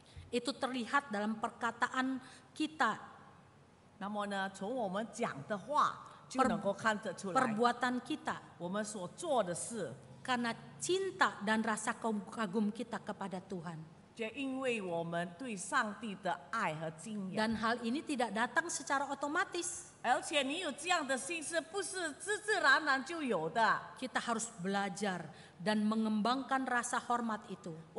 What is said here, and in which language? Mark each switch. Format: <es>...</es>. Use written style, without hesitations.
<id>Itu terlihat dalam perkataan kita.</id> <zh>那么呢，从我们讲的话就能够看得出来。</zh> <id>Perbuatan kita.</id> <zh>我们所做的事。</zh> <id>Karena cinta dan rasa kagum kita kepada Tuhan.</id> <zh>因为我们对上帝的爱和敬仰。</zh> <id>Dan hal ini tidak datang secara otomatis.</id> <zh>而且你有这样的心是不是自然然就有的。</zh> <id>Kita harus belajar dan mengembangkan rasa hormat itu.</id>